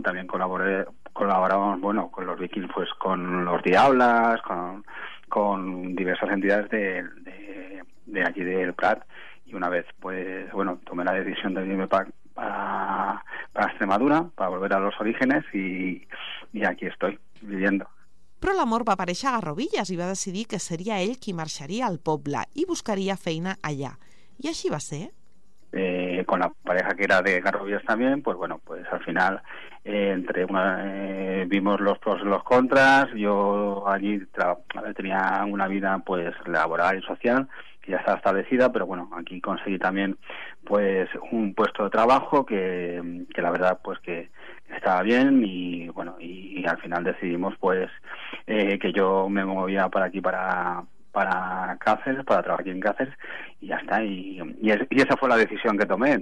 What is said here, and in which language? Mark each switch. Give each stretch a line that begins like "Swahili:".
Spanish: También colaborábamos, bueno, con los Vikings, pues con los Diablas, con diversas entidades de allí del Prat. Y una vez, pues, bueno, tomé la decisión de irme para a Extremadura para volver a los orígenes y aquí estoy, viviendo.
Catalan: Però l'amor va aparèixer a Garrovillas i va decidir que seria ell qui marxaria al poble i buscaria feina allà. I així va ser.
Spanish: Con la pareja que era de Garrovillas también, pues bueno, pues al final entre una vimos los pros y los contras. Yo allí tenía una vida pues laboral y social que ya estaba establecida, pero bueno, aquí conseguí también pues un puesto de trabajo que la verdad pues que estaba bien y bueno, y al final decidimos pues que yo me movía para aquí, para Cáceres, para trabajar aquí en Cáceres, y ya está, y esa fue la decisión que tomé.